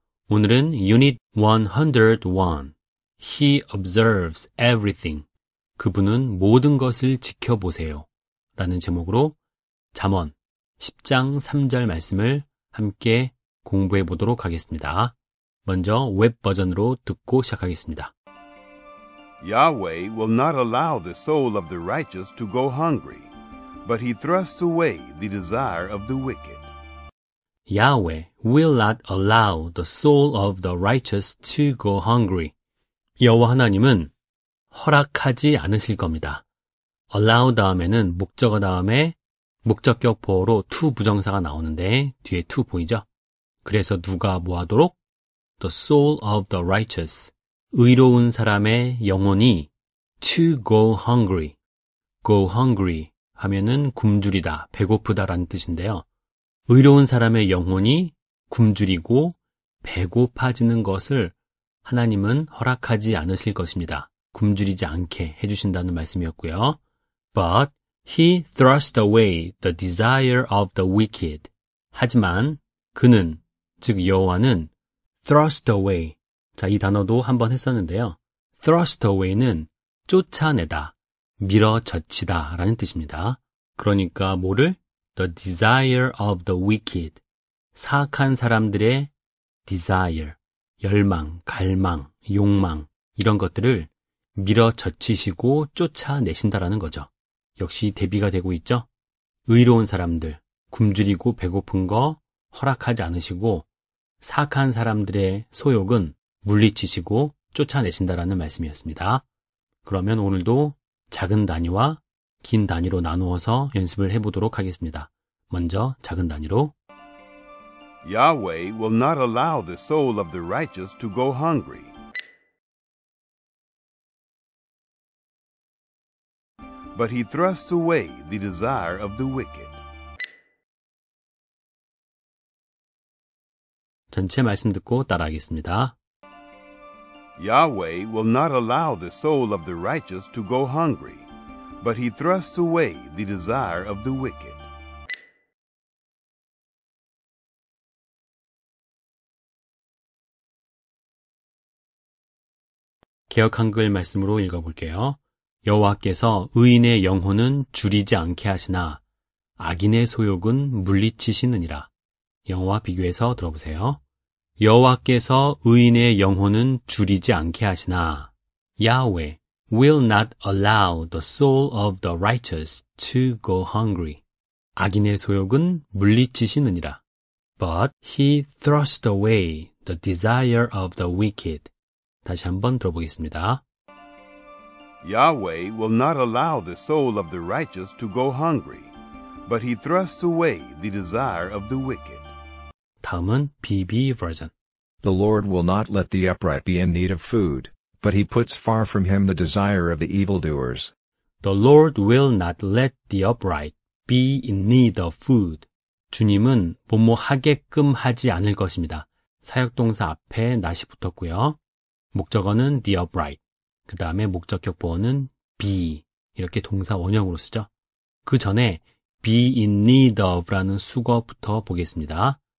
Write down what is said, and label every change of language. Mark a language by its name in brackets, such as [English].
[Korean] 오늘은 [English] Unit 101, He observes everything, [Korean] 그분은 모든 것을 지켜보세요 라는 제목으로 잠언 10장 3절 말씀을 함께 공부해 보도록 하겠습니다. 먼저 웹 버전으로 듣고 시작하겠습니다. [English] Yahweh will not allow the soul of the righteous to go hungry, but he thrusts away the desire of the wicked. Yahweh will not allow the soul of the righteous to go hungry. [Korean] 여호와 하나님은 허락하지 않으실 겁니다. allow 다음에는 목적어 다음에 목적격 보호로 to 부정사가 나오는데 뒤에 to 보이죠? 그래서 누가 뭐 하도록? [English] The soul of the righteous, [Korean] 의로운 사람의 영혼이 [English] to go hungry. [Korean] Go hungry 하면은 굶주리다, 배고프다라는 뜻인데요. 의로운 사람의 영혼이 굶주리고 배고파지는 것을 하나님은 허락하지 않으실 것입니다. 굶주리지 않게 해주신다는 말씀이었고요. [English] But he thrust away the desire of the wicked. [Korean] 하지만 그는, 즉 여호와는 thrust away. 자, 이 단어도 한번 했었는데요. thrust away는 쫓아내다, 밀어젖히다 라는 뜻입니다. 그러니까 뭐를? [English] The desire of the wicked. [Korean] 사악한 사람들의 desire, 열망, 갈망, 욕망 이런 것들을 밀어젖히시고 쫓아내신다라는 거죠. 역시 대비가 되고 있죠? 의로운 사람들, 굶주리고 배고픈 거 허락하지 않으시고 사악한 사람들의 소욕은 물리치시고 쫓아내신다라는 말씀이었습니다. 그러면 오늘도 작은 단위와 긴 단위로 나누어서 연습을 해보도록 하겠습니다. 먼저 작은 단위로 [English] Yahweh will not allow the soul of the righteous to go hungry. But he thrusts away the desire of the wicked. [Korean] 전체 말씀 듣고 따라하겠습니다. [English] Yahweh will not allow the soul of the righteous to go hungry, but he thrusts away the desire of the wicked. [Korean] 개역 한글 말씀으로 읽어볼게요. 여호와께서 의인의 영혼은 주리지 않게 하시나 악인의 소욕은 물리치시느니라. 영어와 비교해서 들어보세요. 여호와께서 의인의 영혼은 주리지 않게 하시나 [English] Yahweh will not allow the soul of the righteous to go hungry. [Korean] 악인의 소욕은 물리치시느니라. [English] But he thrust away the desire of the wicked. [Korean] 다시 한번 들어보겠습니다. [English] Yahweh will not allow the soul of the righteous to go hungry, but he thrust away the desire of the wicked. [Korean] 다음은 BB 버전. [English] The Lord will not let the upright be in need of food, but he puts far from him the desire of the evildoers. The Lord will not let the upright be in need of food. [Korean] 주님은 뭐뭐 하게끔 하지 않을 것입니다. 사역동사 앞에 not이 붙었고요. 목적어는 the upright, 그 다음에 목적격 보어는 be, 이렇게 동사 원형으로 쓰죠. 그 전에 be in need of라는 수거부터 보겠습니다.